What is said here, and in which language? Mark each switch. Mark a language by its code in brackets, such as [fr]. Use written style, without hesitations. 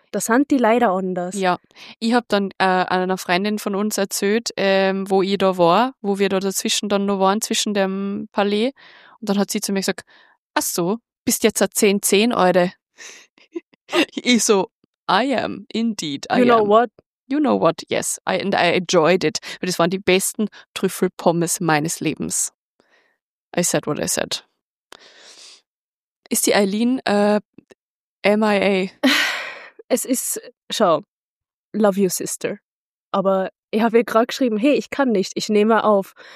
[de] Da sind die leider anders. Ja, ich habe dann einer Freundin von uns erzählt, wo ich da war, wo wir da dazwischen dann noch waren, zwischen dem Palais. Und dann hat sie zu mir gesagt, ach so, bist jetzt ein 10-10, Alter. Ich so, [en] I am, indeed, I am. You know what? You know what, yes, I enjoyed it. [de] Weil das waren die besten Trüffelpommes meines Lebens. [en] I said what I said. [de] Ist die Eileen MIA? Es ist, schau, [en] love you, sister. [de] Aber ich habe ihr gerade geschrieben, hey, ich kann nicht, ich nehme auf.